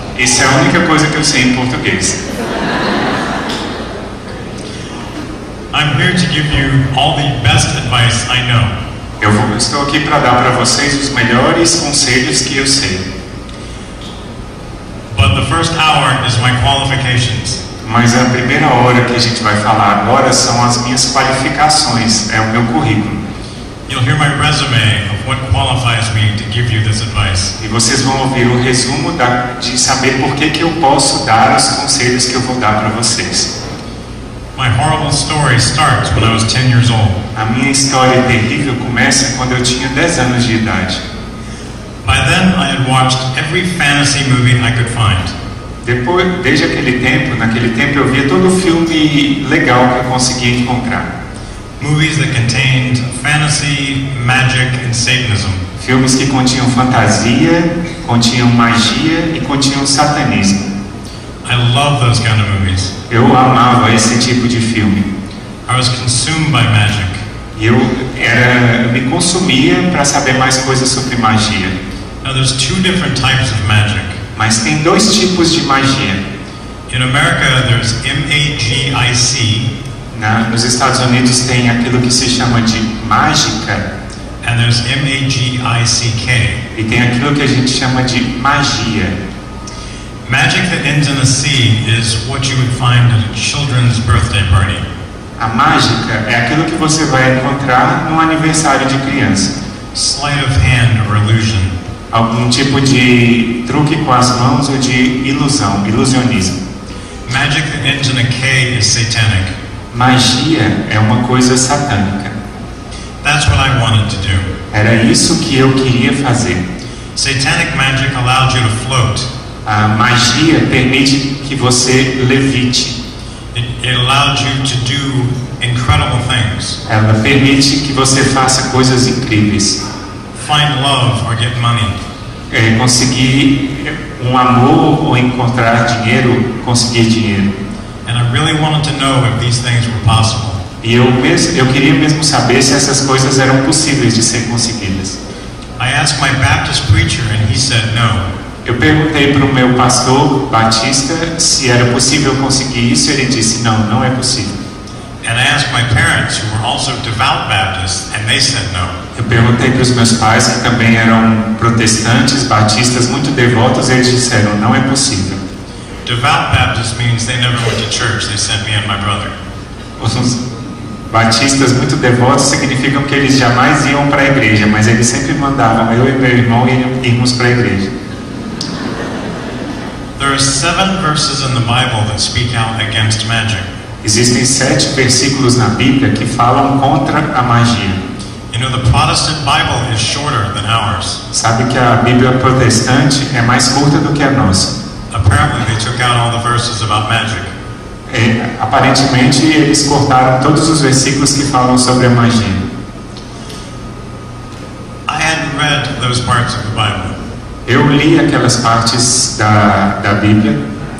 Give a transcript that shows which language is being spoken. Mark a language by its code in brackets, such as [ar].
[pt] Isso é a única coisa que eu sei em português. [en] I'm here to give you all the best advice I know. [pt] Estou aqui para dar para vocês os melhores conselhos que eu sei. [en] But the first hour is my qualifications. [pt] Mas a primeira hora que a gente vai falar agora são as minhas qualificações, é o meu currículo. [en] You'll hear my resume of what qualifies me to give you this advice. [pt] E vocês vão ouvir o resumo de saber por que eu posso dar os conselhos que eu vou dar para vocês. [en] My horrible story starts when I was 10 years old. [pt] A minha história terrível começa quando eu tinha 10 anos de idade. [en] By then I had watched every fantasy movie I could find. [pt] Depois, desde aquele tempo, naquele tempo eu via todo filme legal que eu conseguia encontrar. [en] Movies that contained fantasy, magic and Satanism. [pt] Filmes que continham fantasia, continham magia e continham satanismo. [en] I love those kind of movies. [pt] Eu amava esse tipo de filme. [en] I was consumed by magic. [pt] Eu me consumia para saber mais coisas sobre magia. [en] Now there's two different types of magic. [pt] Mas tem dois tipos de magia. [en] In America there's magic. [pt] Nos Estados Unidos tem aquilo que se chama de mágica. [en] And there's magic. [pt] E tem aquilo que a gente chama de magia. [en] Magic that ends in a C is what you would find at a children's birthday party. [pt] A mágica é aquilo que você vai encontrar no aniversário de criança. [en] Sleight of hand or illusion. [pt] Algum tipo de truque com as mãos ou de ilusão, ilusionismo. [en] Magic that ends in a K is satanic. [pt] Magia é uma coisa satânica. [en] That's what I wanted to do. [pt] Era isso que eu queria fazer. [en] Satanic magic allowed you to float. [pt] A magia permite que você levite. [en] It allowed you to do incredible things. [pt] Ela permite que você faça coisas incríveis. [en] Find love or get money. [pt] É conseguir um amor ou encontrar dinheiro, conseguir dinheiro. [en] And I really wanted to know if these things were possible. [pt] E eu queria mesmo saber se essas coisas eram possíveis de ser conseguidas. [en] I asked my Baptist preacher and he said no. [pt] Eu perguntei para o meu pastor batista se era possível conseguir isso, ele disse não, não é possível. [en] And I asked my parents, who were also devout Baptists, and they said no. [pt] Eu perguntei para os meus pais, que também eram protestantes, batistas, muito devotos, e eles disseram não é possível. [en] Devout Baptist means they never went to church, they sent me and my brother. [pt] Os batistas muito devotos significam que eles jamais iam para a igreja, mas eles sempre mandavam eu e meu irmão irmos para a igreja. [en] There are 7 verses in the Bible that speak out against magic. [pt] Existem 7 versículos na Bíblia que falam contra a magia. [en] You know, the Protestant Bible is shorter than ours. [pt] Sabe que a Bíblia protestante é mais curta do que a nossa. [en] Apparently they took out all the verses about magic. [pt] E, aparentemente eles cortaram todos os versículos que falam sobre a magia. [en] I hadn't read those parts of the Bible. [pt] Eu li aquelas partes da Bíblia.